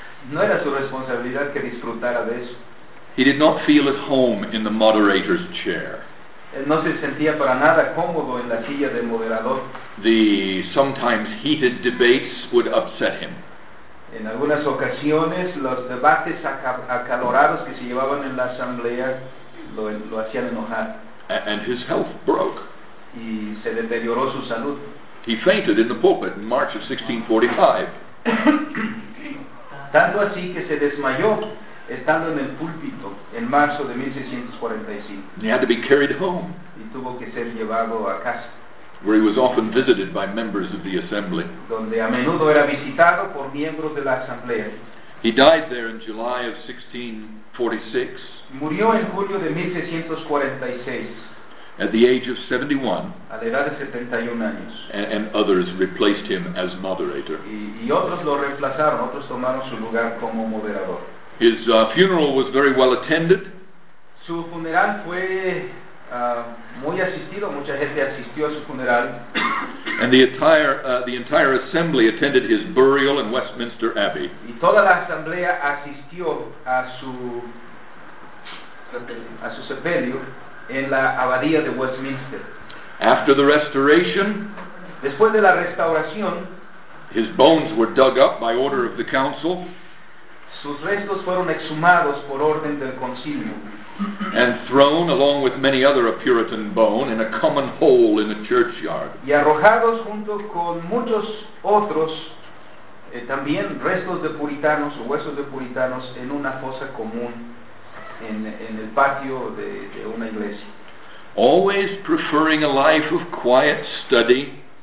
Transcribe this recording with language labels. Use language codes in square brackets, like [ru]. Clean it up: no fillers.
[es] No era su responsabilidad que disfrutara de eso. [en] He did not feel at home in the moderator's chair. [es] No se sentía para nada cómodo en la silla del moderador. [en] The sometimes heated debates would upset him. [es] En algunas ocasiones los debates acalorados que se llevaban en la asamblea lo hacían enojar. [en] And his health broke. [es] Y se deterioró su salud. [en] He fainted in the pulpit in March of 1645. [es] Tanto así que se desmayó estando en el púlpito en marzo de 1645. [en] He had to be carried home. [es] Y tuvo que ser llevado a casa. [en] Where he was often visited by members of the assembly. [es] Donde a menudo era visitado por miembros de la asamblea. [en] He died there in July of 1646. [es] Murió en julio de 1646. [en] At the age of 71. [es] A la edad de 71 años. [en] And others replaced him as moderator. [es] Y otros lo reemplazaron, otros tomaron su lugar como moderador. [en] His funeral was very well attended. [es] Su funeral fue muy asistido, mucha gente asistió a su funeral. [en] And the entire assembly attended his burial in Westminster Abbey. [es] Y toda la asamblea asistió a su sepelio en la abadía de Westminster. [en] After the restoration, [es] después de la restauración, [en] his bones were dug up by order of the council. [es] Sus restos fueron exhumados por orden del concilio. [en] and thrown, along with many other a Puritan bone, in a common hole in a churchyard. [es] Y arrojados junto con muchos otros, también restos de puritanos o huesos de puritanos en una fosa común en el patio de una iglesia. [en] Always preferring a life of quiet study.